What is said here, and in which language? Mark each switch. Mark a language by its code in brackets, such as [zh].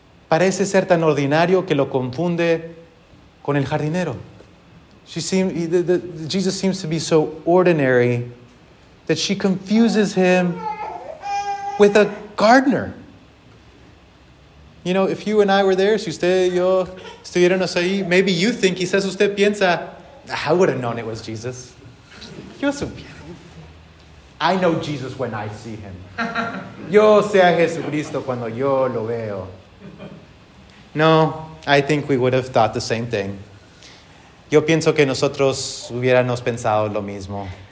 [es] Parece ser tan ordinario que lo confunde con el jardinero. [en] Jesus seems to be so ordinary that she confuses him with a gardener. You know, if you and I were there, [es] si usted y yo estuviéramos ahí, [en] maybe you think, [es] quizás usted piensa, [en] I would have known it was Jesus. [es] Yo supiera. [en] I know Jesus when I see him. [es] Yo sé a Jesucristo cuando yo lo veo. [en] No, I think we would have thought the same thing. [es] Yo pienso que nosotros hubiéramos pensado lo mismo.